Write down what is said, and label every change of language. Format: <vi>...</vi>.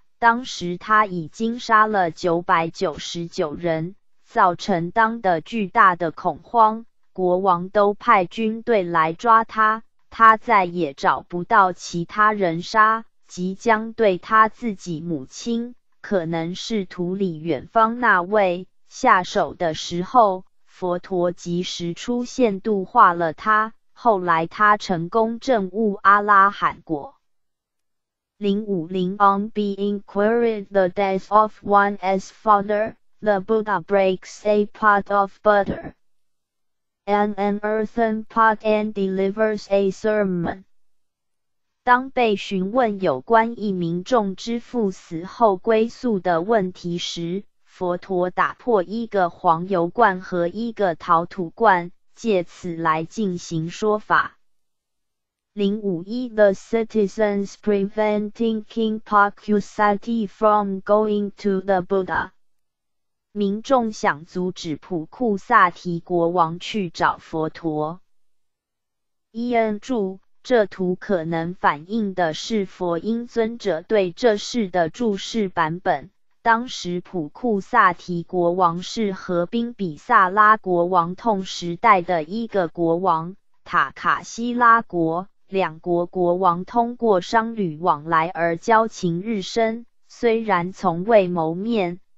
<zh>当时他已经杀了999人，造成当的巨大的恐慌，国王都派军队来抓他，他再也找不到其他人杀，即将对他自己母亲，可能是土里远方那位下手的时候，佛陀及时出现度化了他，后来他成功证悟阿拉罕果。</zh> <en>050 On being queried the death of one's father, the Buddha breaks a pot of butter and an earthen pot and delivers a sermon.</en> <zh>当被询问有关一民众之父死后归宿的问题时，佛陀打破一个黄油罐和一个陶土罐，借此来进行说法。</zh> <en>051 The citizens preventing King Pakusati from going to the Buddha.</en> <zh>民众想阻止普库萨提国王去找佛陀。 EN 注：这图可能反映的是佛音尊者对这事的注释版本。当时普库萨提国王是和宾比萨拉国王同时代的一个国王，塔卡西拉国，两国国王通过商旅往来而交情日深，虽然从未谋面，</zh>